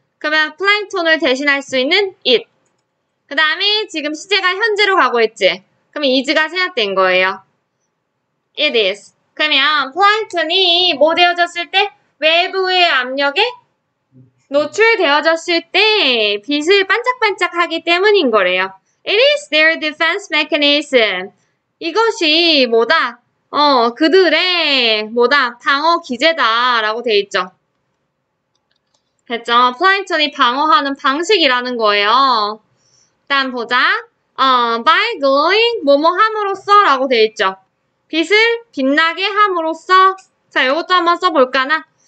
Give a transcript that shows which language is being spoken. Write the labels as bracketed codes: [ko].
[ko] 그러면 Plankton을 대신할 수 있는 it. 그 다음에 지금 시제가 현재로 가고 있지. 그럼 is가 생략된 거예요. [en] It is. [ko] 그러면 Plankton이 뭐 되어졌을 때? 외부의 압력에 노출되어졌을 때 빛을 반짝반짝하기 때문인 거래요. [en] It is their defense mechanism. [ko] 이것이 뭐다? 그들의 뭐다? 방어 기제다라고 돼 있죠. 됐죠? 플랑크톤이 방어하는 방식이라는 거예요. 다음 보자. [en] By glowing [ko] 뭐뭐 함으로써라고 돼 있죠. 빛을 빛나게 함으로써. 자, 이것도 한번 써볼까나?